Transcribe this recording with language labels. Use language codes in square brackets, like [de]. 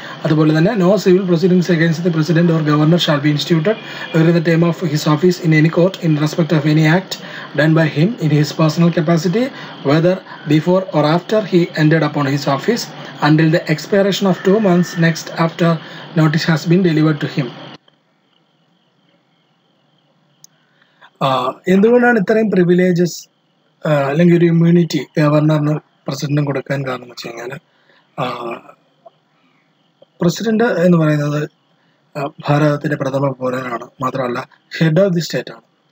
[ml] അതുപോലെ തന്നെ, [en] No civil proceedings against the president or governor shall be instituted during the time of his office in any court in respect of any act done by him in his personal capacity, whether before or after he entered upon his office, until the expiration of 2 months next after notice has been delivered to him. [ml] എന്തുകൊണ്ടാണ് ഇത്രയും privileges അല്ലെങ്കിൽ ഒരു immunity ഗവർണറിന് പ്രസിഡന്റിന് കൊടുക്കാൻ കാരണം എന്ന് വെച്ച് കഴിഞ്ഞാൽ, പ്രസിഡന്റ് എന്ന് പറയുന്നത് ഭാരതത്തിൻ്റെ പ്രഥമ പൗരനാണ്, മാത്രമല്ല ഹെഡ് ഓഫ് ദി സ്റ്റേറ്റാണ്.